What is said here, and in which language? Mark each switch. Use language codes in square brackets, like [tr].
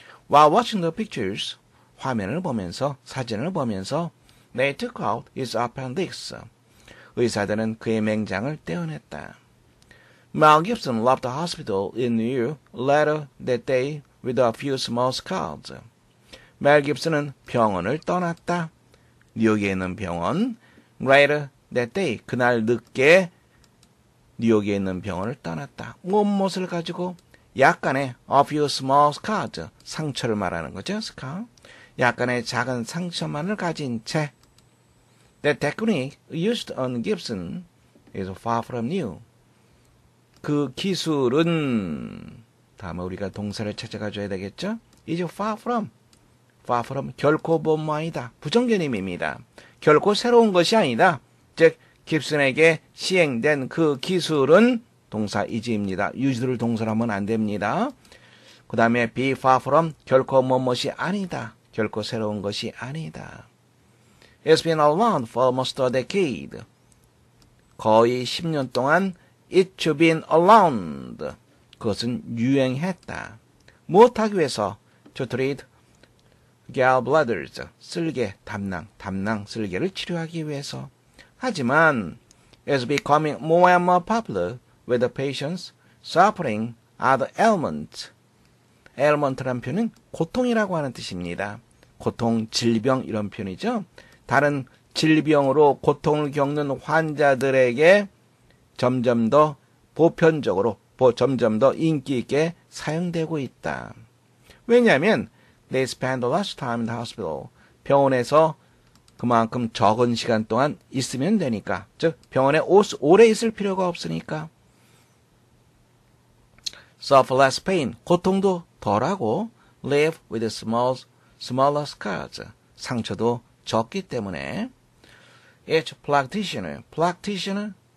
[en] While watching the pictures, [ko] 사진을 보면서, [en] they took out his appendix. [ko] 의사들은 그의 맹장을 떼어냈다. [en] Mel Gibson left the hospital in New York later that day with a few small scars. [ko] Mel Gibson은 병원을 떠났다. 뉴욕에 있는 병원. [en] Later that day, [ko] 그날 늦게 뉴욕에 있는 병원을 떠났다. 온몸을 가지고 약간의 [en] a few small scars, [ko] 상처를 말하는 거죠, scar. 약간의 작은 상처만을 가진 채. [en] The technique used on Gibson is far from new. [ko] 그 기술은, 다음에 우리가 동사를 찾아가줘야 되겠죠? [en] is far from. far from, [ko] 결코 본모아니다. 부정견임입니다. 결코 새로운 것이 아니다. 즉, Gibson에게 시행된 그 기술은 동사 is입니다. 유지를 동사로 하면 안 됩니다. 그 다음에 [en] be far from [ko] 결코 무엇이 아니다. 결코 새로운 것이 아니다. [en] It's been around for almost a decade. [ko] 거의 10년 동안 [en] it's been around. [ko] 그것은 유행했다. 무엇하기 위해서 [en] to treat [ko] gallbladders, 쓸개, 담낭, 쓸개를 치료하기 위해서. 하지만, [en] is becoming more and more popular with the patients suffering other ailments. [ko] ailment란 표현은 고통이라고 하는 뜻입니다. 고통, 질병 이런 표현이죠. 다른 질병으로 고통을 겪는 환자들에게 점점 더 보편적으로, 점점 더 인기 있게 사용되고 있다. 왜냐하면 [en] they spend less time in the hospital. [ko] 병원에서 그만큼 적은 시간 동안 있으면 되니까. 즉, 병원에 오래 있을 필요가 없으니까. [en] suffer less pain. [ko] 고통도 덜하고 [en] live with smaller scars. [ko] 상처도 적기 때문에. [en] each practitioner. practitioner.